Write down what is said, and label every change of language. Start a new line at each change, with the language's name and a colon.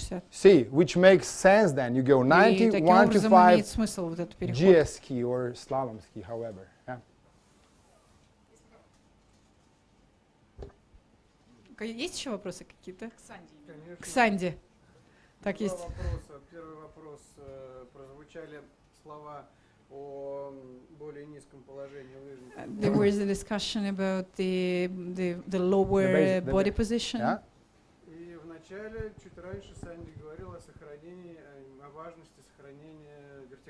English: See, which makes sense then. You go 90, 125 GS ski or slalom ski, however.
Russian: Есть еще вопросы какие-то? К Санде. Так, два есть. Вопроса. Первый вопрос. Прозвучали слова о более низком положении лыжника.
English: There was a discussion about the lower body position. Yeah.
Russian: И вначале, чуть раньше, Санди говорил о важности сохранения вертикальности.